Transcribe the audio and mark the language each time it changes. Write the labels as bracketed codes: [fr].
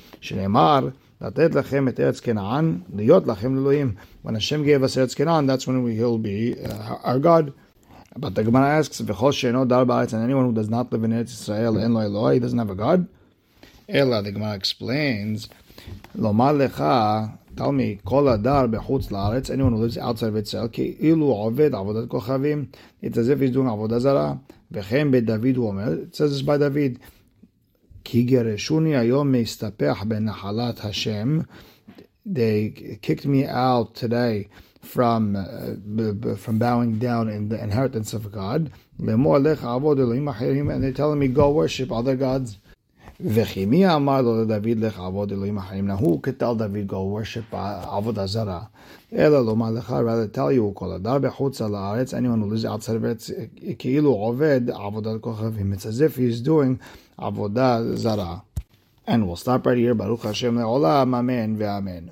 [he] Shenemar, לתת לכם את ארץ כנען, להיות לכם לאלוהים. [en] When Hashem gave us ארץ כנען, that's when he'll be our God. But the Gemara asks, [he] וכל שאינו דר בארץ, [en] and anyone who does not live in ארץ ישראל, [he] אין לו אלוה, [en] he doesn't have a God. אלא, the Gemara explains, [he] לומר לך, [en] tell me, [he] כל הדר בחוץ לארץ, [en] anyone who lives outside of [he] ישראל, כאילו עובד עבודת כוכבים, [en] it's as if he's doing [he] עבודה זרה, וכן בדוד הוא אומר, [en] it says this by David, [he] כי גרשוני היום מסתפח בנחלת השם. [en] They kicked me out today from bowing down in the inheritance of God. [he] למור לך עבוד אלוהים אחרים, [en] and they're telling me, go worship other gods. [he] וכי מי אמר לו לדוד לך עבוד אלוהים אחרים? [en] Now who could tell David, go worship [he] עבוד הזרה? אלא לומר לך, [en] rather tell you, [he] כל הדר בחוץ על הארץ, [en] anyone who lives outside of it, [he] כאילו עובד עבודת כוכבים. [en] It's as if he's doing עבודה זרה. And we'll stop right here. Baruch Hashem le'olam. Amen ve'amen.